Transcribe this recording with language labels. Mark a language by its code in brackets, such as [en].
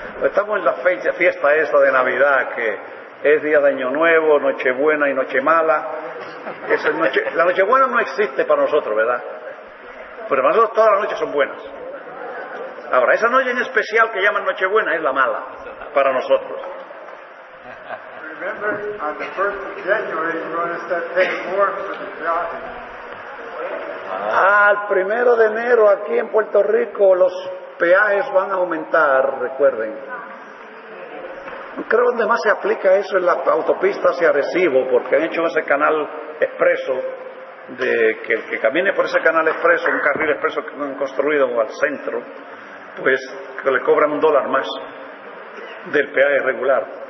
[es] Estamos en la fiesta esa de Navidad, que es día de Año Nuevo, Nochebuena y Nochemala. La Nochebuena no existe para nosotros, ¿verdad? Pero para nosotros todas las noches son buenas. Ahora, esa noche en especial que llaman Nochebuena es la mala para nosotros. [en] Remember, on the 1st of January, you're going to start paying more for the [es] peaje. El primero de enero aquí en Puerto Rico los peajes van a aumentar, recuerden. Creo que donde más se aplica eso es la autopista hacia Arecibo, porque han hecho ese canal expreso, de que el que camine por ese canal expreso, un carril expreso que han construido al centro, pues que le cobran un dólar más del peaje regular.